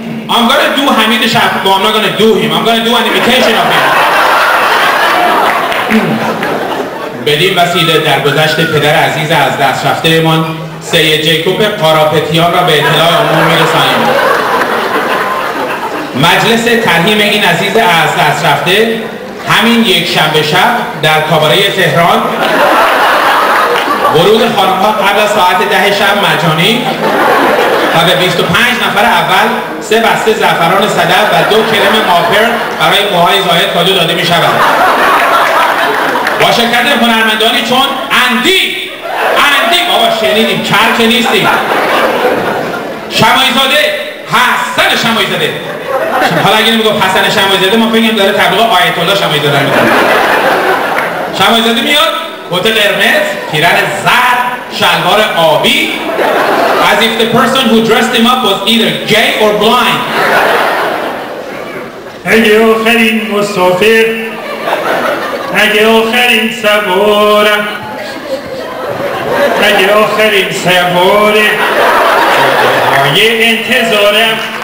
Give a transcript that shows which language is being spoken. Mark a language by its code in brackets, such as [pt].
[en] I'm gonna do Hamid Shabkhiz, but I'm not gonna do him. I'm gonna do an imitation of him. [fa] بدین وسیله در گذشت پدر عزیز از دست رفته ایمان سید جیکوب قاراپتیان را به اطلاع عموم می‌رسانیم. مجلس ترحیم این عزیز از دست رفته همین یک شنبه شب در کاباره تهران، ورود خانم‌ها قبل از ساعت 10 شب مجانی و به 25 نفر اول 3 بسته زعفران صدف و 2 کرم ماپر برای موهای زاید کادو داده می‌شود. با شرکت هنرمندانی چون اندی بابا شنیدیم کر که نیستیم، شمایزاده، حسن شمایزاده. حالا اگه نمیگو حسن شمایزاده ما فکرم داره تبلیغ آیت الله شمایزاده رو میکنه. شمایزاده میاد کت قرمز، پیرن زرد، شلوار آبی. [en] As if the person who dressed him up was either gay or blind. [fa] اگه آخرین مسافر، اگه آخرین سوارم، اگه آخرین سواره یه انتظارم.